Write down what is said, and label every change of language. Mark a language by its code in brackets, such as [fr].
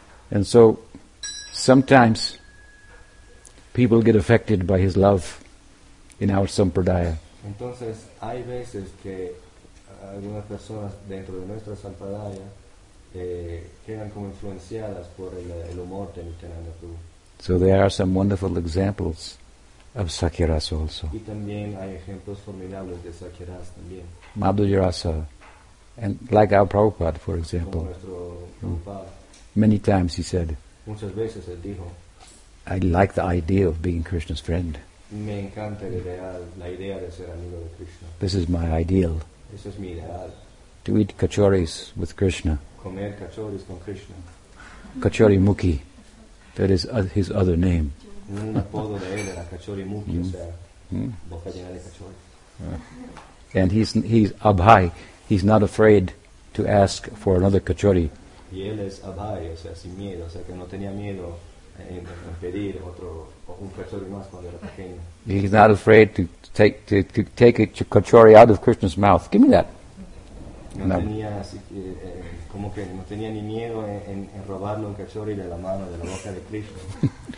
[en] And so, sometimes people get affected by his love in our sampradaya. [es] Entonces, hay veces que algunas personas dentro de nuestra sampradaya quedan como influenciadas por el humor de Nityananda Prabhu. [en] So there are some wonderful examples of Sakya Rasa also. [es] Y también hay ejemplos formidables de Sakya Rasa también. [en] Madhurya Rasa, and like our Prabhupada, for example. [es] Como nuestro Prabhupada. [en] Many times he said, [es] muchas veces él dijo, [en] I like the idea of being Krishna's friend. [es] Me encanta la idea de ser amigo de Krishna. [en] This is my ideal. [es] Eso es mi ideal. [en] To eat kachoris with Krishna. [es] Comer kachoris con Krishna. [en] Kachori Mukhi. That is his other name. [es] Un apodo de él era Kachori Mukhi, o sea, boca llena de kachori. [en] And he's abhay. He's not afraid to ask for another kachori. [es] Y él es abhay, o sea, sin miedo, o sea, que no tenía miedo en pedir otro un kachori más cuando era pequeño. [en] He's not afraid to take a kachori out of Krishna's mouth. Give me that. [es] No tenía así, como que no tenía ni miedo en robarlo un cachorro de la mano, de la boca de Krishna.